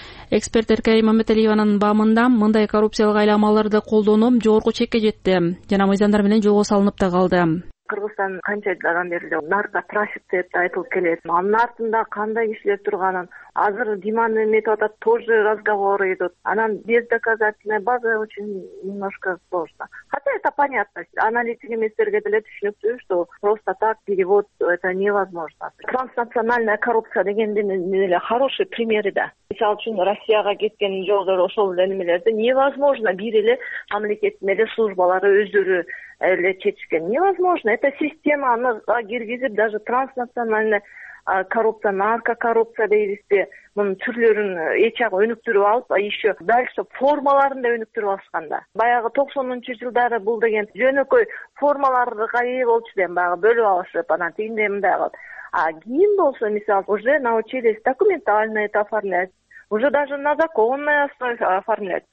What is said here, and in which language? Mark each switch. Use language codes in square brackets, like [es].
[ky] Эксперт Эркай Мамметалиеванын баамында мындай коррупциялык айламаларды колдонуу жогорку чекке жетти жана мыйзамдар менен жолго салынып да калды. Кыргызстан канча жылдан бери эле наркотрафик деп айтылып келет. Анын артында кандай кишилер турганын азыр Диман эметип атат, [ru] тоже разговор идут. Анан без доказательной базы очень немножко сложно. Хотя это понятно, [ky] аналитик эместерге деле түшүнүксүз, [ru] что просто так перевод это невозможно. [ky] Транснациональная коррупция дегенде эле [ru] хороший [ky] примери да. Мисалы үчүн Россияга кеткен жолдор ошол эле немелерди невозможно бир эле мамлекеттин эле службалары өздөрү эле чечишкен. [ru] Невозможно. [ky] Это системаны киргизип [ru] даже транснациональный коррупция, [ky] наркокоррупция дейбизби, мунун түрлөрүн эч ак өнүктүрүп алып, [ru] еще дальше [ky] формаларын да өнүктүрүп алышкан да. Баягы 90-жылдары бул деген жөнөкөй формаларга ээ болчу деген, баягы бөлүп алышып, анан тигинде мындай кылып. А ким болсо, мисалы, [ru] уже научились документально это оформлять. Уже даже на законной основе оформлять.